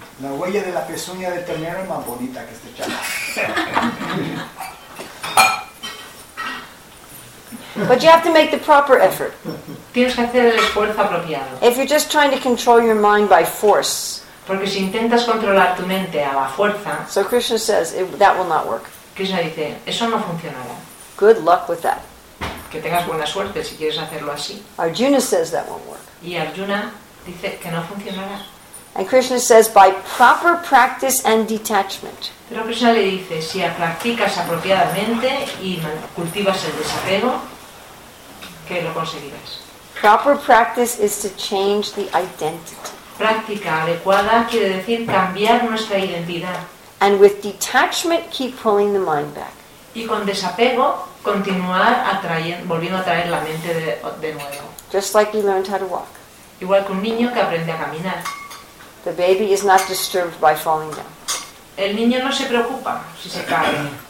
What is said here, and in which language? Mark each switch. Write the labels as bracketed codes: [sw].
[es] La huella de la pezuña del ternero es más bonita que este chaval. [en] But you have to make the proper effort. [es] Tienes que hacer el esfuerzo apropiado. [en] If you're just trying to control your mind by force. [es] Porque si intentas controlar tu mente a la fuerza. [en] So Krishna says that will not work. [es] Krishna dice, eso no funcionará. [en] Good luck with that. [es] Que tengas buena suerte si quieres hacerlo así. [en] Arjuna says that won't work. [es] Y Arjuna dice que no funcionará. [en] And Krishna says, by proper practice and detachment. [es] Pero Krishna le dice, si practicas apropiadamente y cultivas el desapego, que lo conseguirás. [en] Proper practice is to change the identity. [es] Práctica adecuada quiere decir cambiar nuestra identidad. [en] And with detachment, keep pulling the mind back. [es] Y con desapego, continuar volviendo a traer la mente de nuevo. [en] Just like you learned how to walk. [es] Igual que un niño que aprende a caminar. [en] The baby is not disturbed by falling down. [es] El niño no se preocupa si se cae.